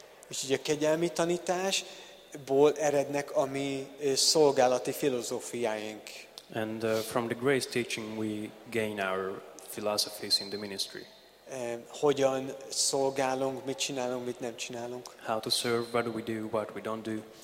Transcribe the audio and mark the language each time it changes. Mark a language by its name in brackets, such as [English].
[Hungarian] Úgyhogy a kegyelmi tanításból erednek a mi szolgálati filozófiáink. [English] And from the grace teaching we gain our philosophies in the ministry. [Hungarian] Hogyan szolgálunk, mit csinálunk, mit nem csinálunk. [English] How to serve, what do we do, what we don't do.